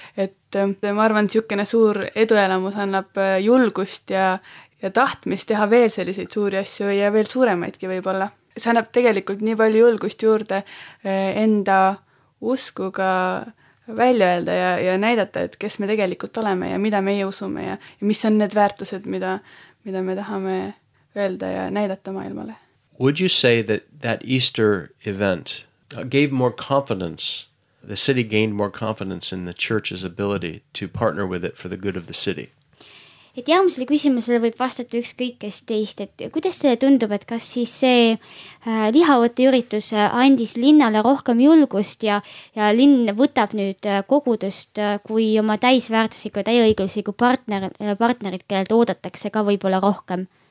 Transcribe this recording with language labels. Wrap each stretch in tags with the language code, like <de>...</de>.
<et>Et ma arvan, et siukene suur eduelamus annab julgust ja tahtmist teha veel selliseid suuri asju ja veel suuremaidki võib-olla. See annab tegelikult nii palju julgust juurde enda uskuga välja öelda ja näidata, et kes me tegelikult oleme ja mida meie usume ja mis on need väärtused, mida me tahame öelda ja näidata maailmale.</et> <en>Would you say that Easter event gave more confidence, the city gained more confidence in the church's ability to partner with it for the good of the city?</en> <et>Et jaamusele küsimusele võib vastata ükskõik kes teist, et kuidas teile tundub, et kas siis see lihavõtte üritus andis linnale rohkem julgust ja linn võtab nüüd kogudust kui oma täisväärtusiku ja täieõigusiku partnerid, kellelt oodatakse ka võib-olla rohkem?</et>